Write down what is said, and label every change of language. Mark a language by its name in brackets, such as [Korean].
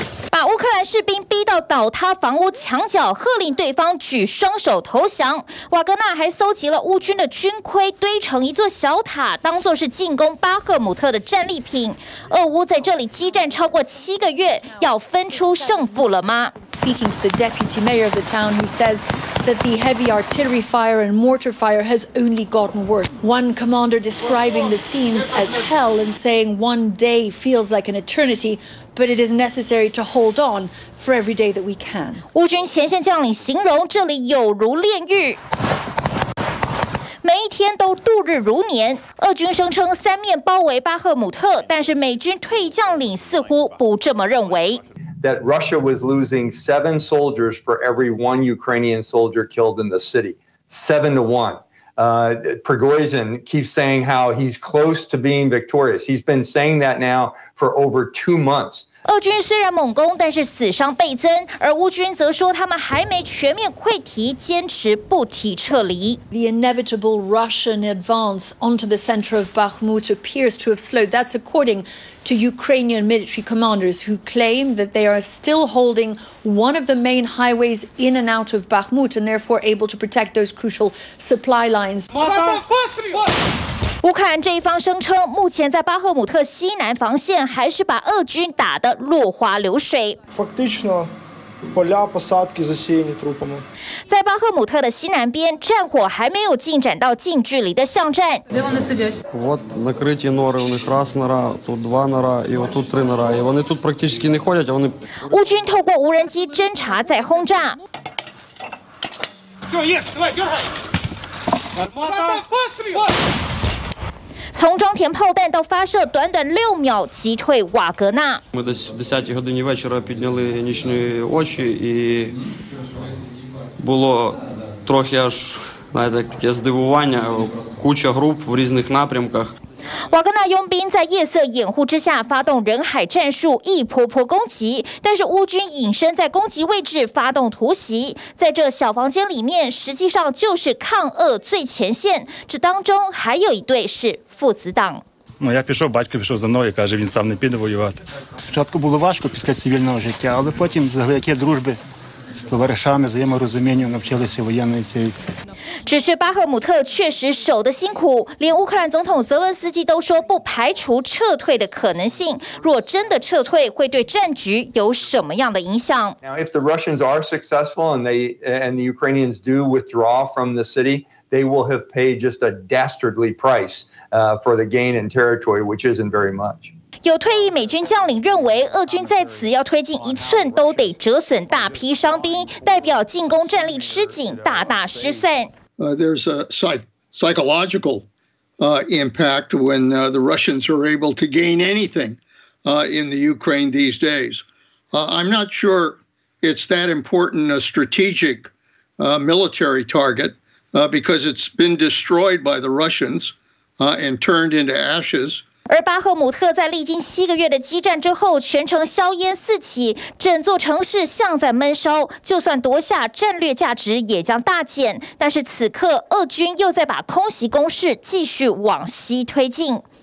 [Chinese] 把乌克兰士兵逼到倒塌房屋墙角，喝令对方举双手投降。瓦格纳还搜集了乌军的军盔，堆成一座小塔，当作是进攻巴赫姆特的战利品。俄乌在这里激战超过7个月，要分出胜负了吗？ [English] Speaking to the deputy mayor of the town, who says that the heavy artillery fire and mortar fire has only gotten worse. One commander describing the scenes as hell and saying one day feels like an eternity, but it is necessary to hold on for every day that we can. [Chinese] 乌军前线将领形容这里有如炼狱，每一天都度日如年。俄军声称三面包围巴赫姆特，但是美军退将领似乎不这么认为。 [English] That Russia was losing 7 soldiers for every 1 Ukrainian soldier killed in the city. 7-1. Prigozhin keeps saying how he's close to being victorious. He's been saying that now for over 2 months. [Chinese] 俄军虽然猛攻，但是死伤倍增，而乌军则说他们还没全面溃堤，坚持不提撤离。 [English] The inevitable Russian advance onto the center of Bakhmut appears to have slowed. That's according to Ukrainian military commanders who claim that they are still holding one of the main highways in and out of Bakhmut and therefore able to protect those crucial supply lines. [Chinese] 乌克兰这一方声称，目前在巴赫姆特西南防线还是把俄军打得落花流水。在巴赫姆特的西南边，战火还没有进展到近距离的巷战。 [Ukrainian] Вот накриті нори, у них раз нора, тут два нора, і отут три нора, і вони тут практично не ходять, вони. [Chinese] 乌军透过无人机侦察在轰炸。从装填炮弹到发射，短短6秒击退瓦格纳。 [Ukrainian] Ми десь в 10-й годині вечора підняли нічні очі і було трохи аж, знаєте, таке здивування, куча груп в різних напрямках。 [Chinese] 瓦格纳佣兵在夜色掩护之下发动人海战术，一波波攻击，但是乌军隐身在攻击位置发动突袭，在这小房间里面实际上就是抗俄最前线，这当中还有一对是父子党。 [Ukrainian] Я пішов, батько пішов за мною, каже, він сам не піде воювати. Спочатку було важко після цивільного життя, але потім завдяки дружбі з товаришами, взаєморозумінню навчилися воєнної цієї. [Chinese] 只是巴赫姆特确实守得辛苦，连乌克兰总统泽伦斯基都说不排除撤退的可能性。若真的撤退，会对战局有什么样的影响 [English] ？Now, if the Russians are successful and the Ukrainians do withdraw from the city, they will have paid just a dastardly price for the gain in territory, which isn't very much. [Chinese] 有退役美军将领认为，俄军在此要推进一寸，都得折损大批伤兵，代表进攻战力吃紧，大大失算。 [English] There's a psychological impact when the Russians are able to gain anything in the Ukraine these days. I'm not sure it's that important a strategic military target because it's been destroyed by the Russians and turned into ashes. [Chinese] 而巴赫姆特在历经七个月的激战之后，全城硝烟四起，整座城市像在闷烧。就算夺下，战略价值也将大减。但是此刻，俄军又在把空袭攻势继续往西推进。